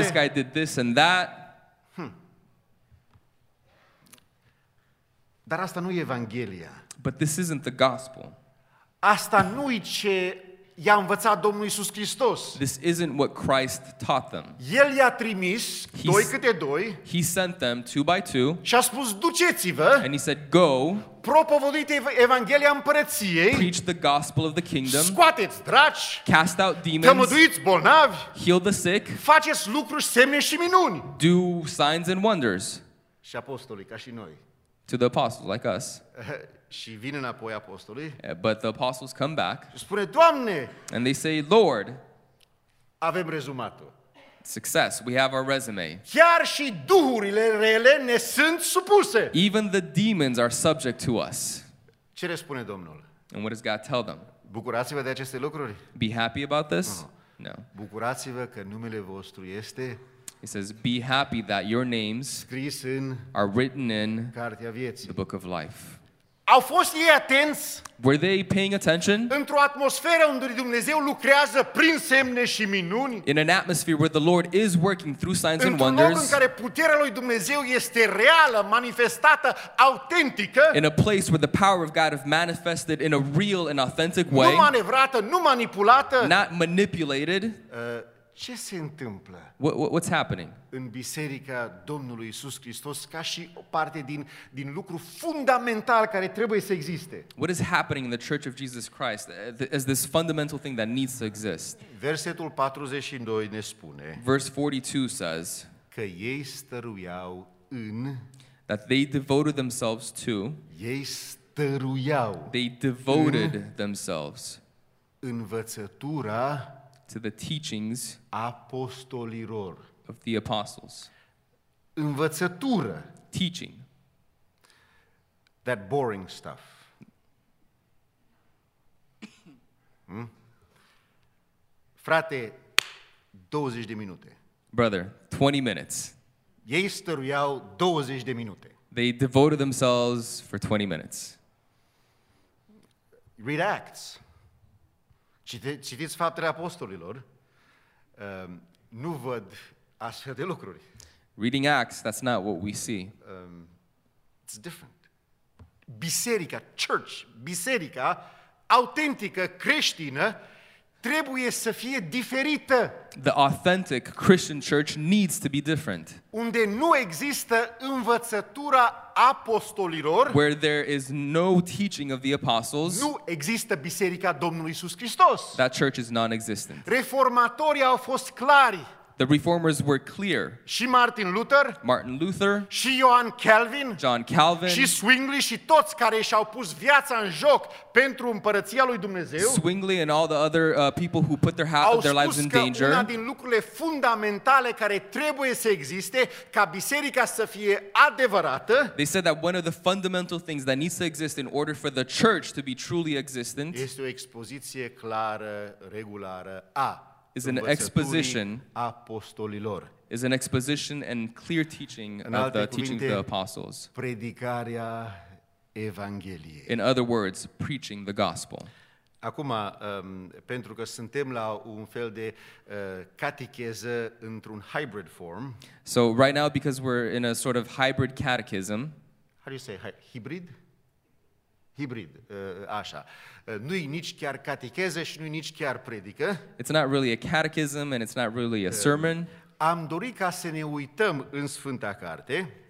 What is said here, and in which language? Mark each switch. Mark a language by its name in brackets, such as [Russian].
[English] This guy did this and that. [Romanian] Dar asta nu e Evanghelia. [English] But this isn't the gospel. [Romanian] Asta nu e ce i-a învățat Domnul Iisus Hristos. [English] This isn't what Christ taught them. [Romanian] El i-a trimis doi câte doi. [English] He sent them two by two. [Romanian] Și a spus, duceți-vă. [English] And he said, go. [Romanian] Propovăduiți Evanghelia împărăției. [English] Preach the gospel of the kingdom. [Romanian] Scoateți draci. [English] Cast out demons. [Romanian] Tămăduiți bolnavi. [English] Heal the sick. [Romanian] Faceți lucruri, semne și minuni. [English] Do signs and wonders. [Romanian] Și apostolii, ca și noi. [English] To the apostles, like us. [Romanian] Și vin înapoi apostolii. [English] But the apostles come back. [Romanian] Spune, Doamne, [English] and they say, Lord, [Romanian] avem rezumatul. [English] Success, we have our resume. [Romanian] Chiar și duhurile rele ne sunt supuse. [English] Even the demons are subject to us. [Romanian] Ce le spune Domnul? [English] And what does God tell them? [Romanian] Bucurați-vă de aceste lucruri. [English] Be happy about this? No. [Romanian] Bucurați-vă că numele vostru este... [English] He says, be happy that your names [Romanian] scris în [English] are written in [Romanian] cartea vieții. [English] The book of life. [Romanian] Au fost ei atenți? [English] Were they paying attention? [Romanian] Într-o atmosferă unde Dumnezeu lucrează prin semne și minuni? [English] In an atmosphere where the Lord is working through signs and wonders? [Romanian] Într-un loc în care puterea lui Dumnezeu este reală, manifestată, autentică? [English] In a place where the power of God is manifested in a real and authentic way? [Romanian] Nu manevrată, nu manipulată? [English] Not manipulated? [Romanian] Ce se întâmplă? [English] What's happening? [Romanian] În biserica Domnului Iisus Hristos, ca și o parte din lucru fundamental care trebuie să existe. [English] What is happening in the Church of Jesus Christ as this fundamental thing that needs to exist? [Romanian] Versetul 42 ne spune. [English] Verse 42 says [Romanian] că ei stăruiau în [English] that they devoted themselves to. [Romanian] Ei stăruiau. [English] They devoted themselves. [Romanian] Învățătura [English] to the teachings [Romanian] apostolilor [English] of the apostles. [Romanian] Învățătură. [English] Teaching. That boring stuff. [Romanian] Frate, 20 de minute. [English] Brother, 20 minutes. [Romanian] Ei stăruiau 20 de minute. [English] They devoted themselves for 20 minutes. Read Acts. [Romanian] Citiți Faptele Apostolilor. Nu văd astfel de lucruri. [English] Reading Acts, that's not what we see. It's different. [Romanian] Biserica, church, biserica autentică, creștină, trebuie să fie diferită. [English] The authentic Christian church needs to be different. [Romanian] Unde nu există învățătura apostolilor, [English] where there is no teaching of the apostles, [Romanian] nu există biserica Domnului Iisus Hristos. [English] That church is non-existent. [Romanian] Reformatorii au fost clari. [English] The reformers were clear. [Romanian] Și Martin Luther, și Ioan Calvin, [English] John Calvin, [Romanian] și Zwingli și toți care și-au pus viața în joc pentru împărăția lui Dumnezeu. [English] Zwingli and all the other people who put their lives in danger. [Romanian] Una din lucrurile fundamentale care trebuie să existe ca biserica să fie adevărată. [English] They said that one of the fundamental things that needs to exist in order for the church to be truly existent. [Romanian] Este o expoziție clară, regulară a [English] is an exposition [Romanian] apostolilor. [English] Is an exposition and clear teaching of the teaching of the apostles. [Romanian] Predicarea evangheliei. [English] In other words, preaching the gospel. [Romanian] Acum, pentru că suntem la un fel de catecheză într-un [English] hybrid form. So right now, because we're in a sort of hybrid catechism. How do you say hybrid? [Romanian] Hibrid, așa. Nu-i nici chiar catecheză și nu-i nici chiar predică. [English] It's not really a catechism and it's not really a sermon. [Romanian] Am dorit ca să ne uităm în Sfânta Carte.